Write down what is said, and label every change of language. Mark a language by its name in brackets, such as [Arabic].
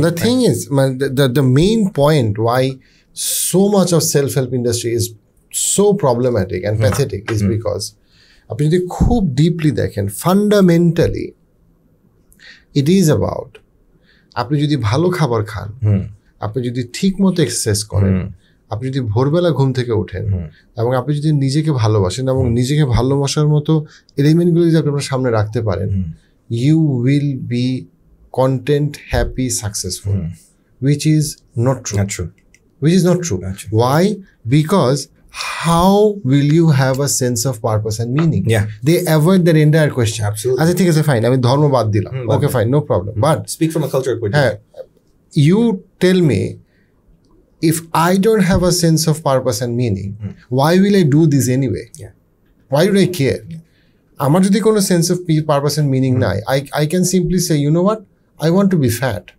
[English] The thing is, man, the main point why so much of self-help industry is so problematic and mm-hmm. pathetic is mm-hmm. [Bangla] because, apni jodi khub deeply dekhen, fundamentally, [English] it is about, [Bangla] apni jodi bhalo khabar khan, apni jodi thik moto exercise koren. আপনি যদি ভোরবেলা ঘুম থেকে ওঠেন এবং আপনি যদি নিজেকে ভালোবাসেন এবং নিজেকে ভালোবাসার মতো এলিমেন্টগুলো যদি আপনি সামনে রাখতে পারেন [English] you will be content happy successful which is not true which is not true why because how will you have a sense of purpose and meaning they avoid that entire question [Bangla] আচ্ছা ঠিক আছে fine আমি ধর্ম বাদ দিলাম [English] Okay fine no problem but speak from a cultural point হ্যাঁ you tell me If I don't have a sense of purpose and meaning, why will I do this anyway? Yeah. Why do I care? Yeah. [Bangla] Amar jodi kono [English] sense of purpose and meaning [Bangla] nai, [English] I can simply say, you know what? I want to be fat.